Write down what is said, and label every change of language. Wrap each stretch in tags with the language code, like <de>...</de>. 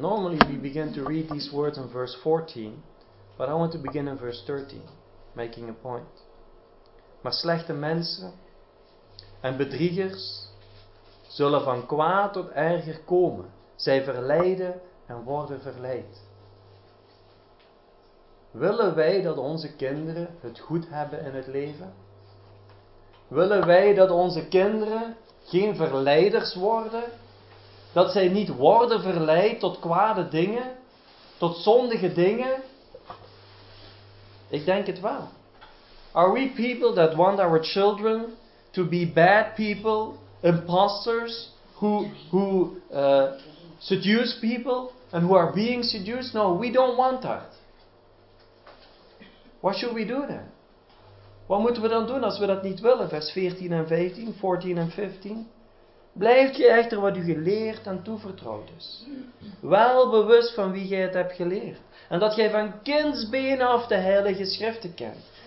<en>Normally we begin to read these words in verse 14. But I want to begin in verse 13. Making a point.</en> <nl>Maar slechte mensen en bedriegers zullen van kwaad tot erger komen. Zij verleiden en worden verleid. Willen wij dat onze kinderen het goed hebben in het leven? Willen wij dat onze kinderen geen verleiders worden? Dat zij niet worden verleid tot kwade dingen? Tot zondige dingen? Ik denk het wel.</nl> <en>Are we people that want our children to be bad people, imposters, who seduce people and who are being seduced? No, we don't want that. What should we do then?</en> <nl>Wat moeten we dan doen als we dat niet willen? Vers 14 en 15, 14 en 15. Blijft je echter wat u geleerd en toevertrouwd is. Wel bewust van wie gij het hebt geleerd. En dat gij van kindsbeen af de heilige schriften kent.</nl>